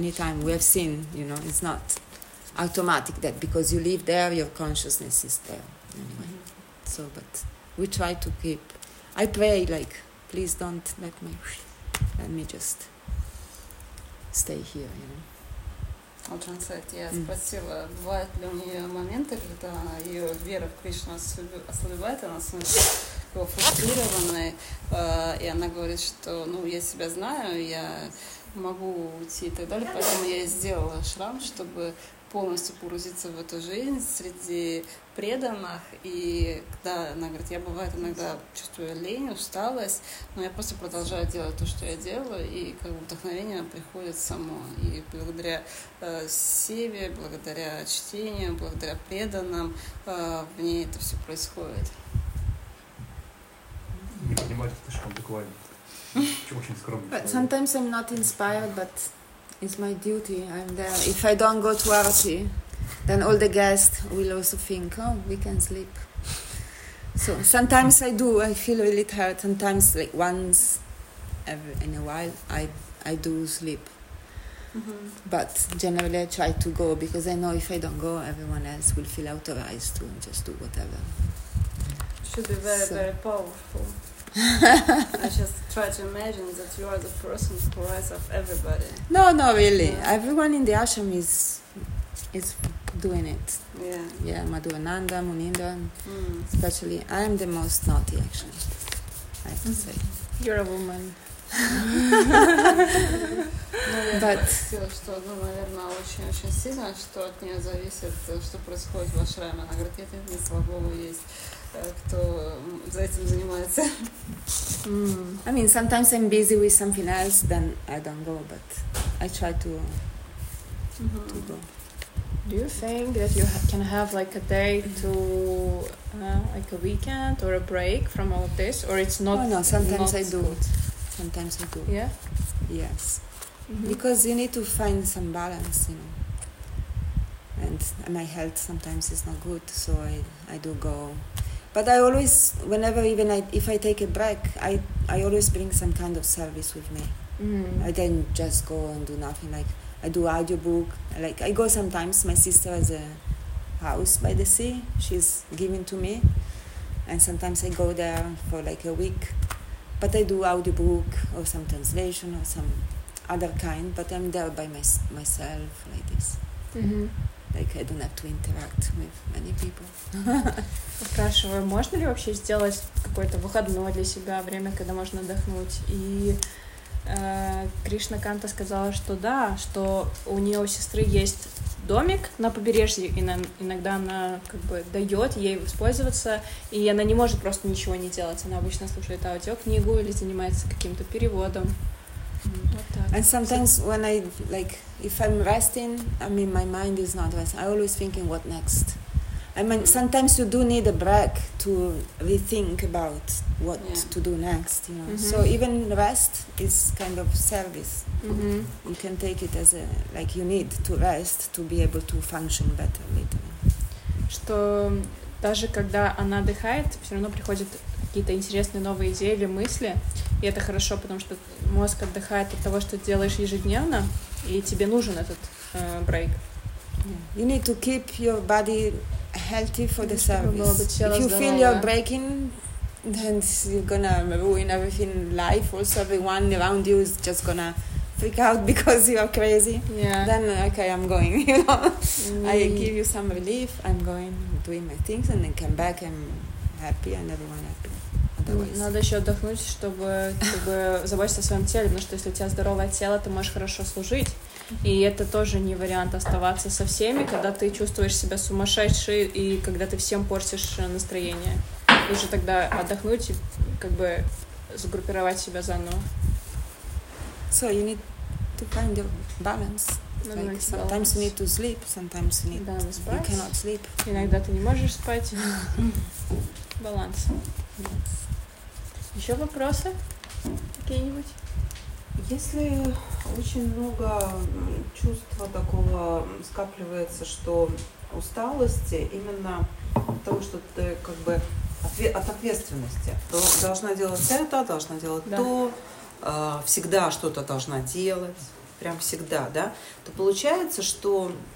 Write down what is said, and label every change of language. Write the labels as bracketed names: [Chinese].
[English] Anytime we have seen, you know, it's not automatic that because you live there, your consciousness is there anyway. Mm-hmm. So, but we try to keep, I pray like, please don't let me just stay here, you know. I'll translate, yes. Mm. [Russian] Спасибо. Бывают ли у нее моменты, когда ее вера в Кришну ослабевает, она становится фрустрированной, и она говорит, что ну, я себя знаю, я могу уйти и так далее, поэтому я и сделала шрам, чтобы полностью погрузиться в эту жизнь среди преданных. И когда она говорит, я бывает иногда чувствую лень, усталость, но я просто продолжаю делать то, что я делаю, и как бы вдохновение приходит само. И благодаря Севе, благодаря чтению, благодаря преданным, в ней это все происходит. Не понимаю, это слишком буквально. Очень скромно. [English] Sometimes I'm not inspired, but it's my duty, I'm there. If I don't go to Arati, then all the guests will also think, oh, we can sleep. So sometimes I do, I feel really tired. Sometimes, like once in a while, I do sleep. Mm-hmm. But generally I try to go, because I know if I don't go, everyone else will feel authorized to just do whatever. Should be very, so. Very powerful. I just try to imagine that you are the person who rises up everybody. No, really. Yeah. Everyone in the ashram is doing it. Yeah. Yeah, Madhu Ananda, Munindra, especially. I am the most naughty, actually, I have to say. You're a woman. But [Russian] что, ну, наверное, очень-очень сильно, что от нее зависит, что происходит в ашраме. Она говорит, нет, не слабого есть. [English] I mean, sometimes I'm busy with something else, then I don't go, but I try to, to go. Do you think that you can have like a day to, like a weekend or a break from all of this, or it's not? Oh, no, sometimes not I do. Good. Sometimes I do. Yeah? Yes. Mm-hmm. Because you need to find some balance, you know. And my health sometimes is not good, so I do go. But I always, whenever even if I take a break, I always bring some kind of service with me. Mm. I don't just go and do nothing. Like, I do audiobook. Like, I go sometimes. My sister has a house by the sea. She's giving to me. And sometimes I go there for like a week. But I do audiobook or some translation or some other kind. But I'm there by myself like this. Mm-hmm. Like, I don't have to interact with many people. [Russian] Спрашиваю, можно ли вообще сделать какое-то выходное для себя, время, когда можно отдохнуть? И Кришна Канта сказала, что да, что у нее у сестры есть домик на побережье, и иногда она как бы дает ей воспользоваться, и она не может просто ничего не делать. Она обычно слушает аудиокнигу или занимается каким-то переводом. [English] And sometimes when I, like, if I'm resting, I mean, my mind is not resting. I'm always thinking, what next? I mean, sometimes you do need a break to rethink about what to do next, you know. Mm-hmm. So even rest is kind of service. Mm-hmm. You can take it as a, like, you need to rest to be able to function better later. [Russian] Что даже когда она отдыхает, все равно приходит какие-то интересные новые идеи или мысли. И это хорошо, потому что мозг отдыхает от того, что делаешь ежедневно. и тебе нужен этот break. [English] You need to keep your body healthy for the service. If you feel you're breaking, then you're gonna ruin everything in life. Also, everyone around you is just gonna freak out because you are crazy. Yeah. Then, okay, I'm going, you know. I give you some relief, I'm going, doing my things, and then come back, I'm happy, and everyone happy. Otherwise. [Russian] Надо еще отдохнуть, чтобы заботиться о своем теле, потому что если у тебя здоровое тело, ты можешь хорошо служить. И это тоже не вариант оставаться со всеми, когда ты чувствуешь себя сумасшедшей и когда ты всем портишь настроение. Лучше тогда отдохнуть и как бы сгруппировать себя заново. [English] So you need to find your balance. Like sometimes you need to sleep, sometimes you need to... You cannot sleep. [Russian] Иногда ты не можешь спать. Баланс. [English] Yes. [Russian] Еще вопросы какие-нибудь? Если очень много чувства такого скапливается, что усталости именно от того, что ты как бы от ответственности, то должна делать это, должна делать то, всегда что-то должна делать, прям всегда, да, то получается, что...